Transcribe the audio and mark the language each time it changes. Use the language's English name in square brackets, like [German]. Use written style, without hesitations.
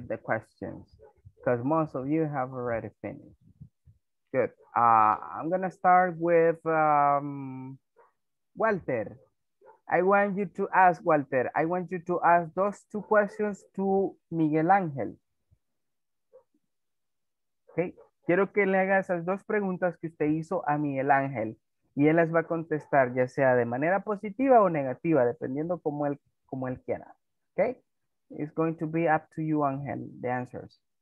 [English] with the questions because most of you have already finished. Good. I'm going to start with Walter. I want you to ask, Walter, I want you to ask those two questions to Miguel Ángel. Okay. [Spanish] Quiero que le haga esas dos preguntas que usted hizo a Miguel Ángel y él las va a contestar ya sea de manera positiva o negativa, dependiendo como él quiera. [English] Okay. It's going to be up to you, Ángel, the answers.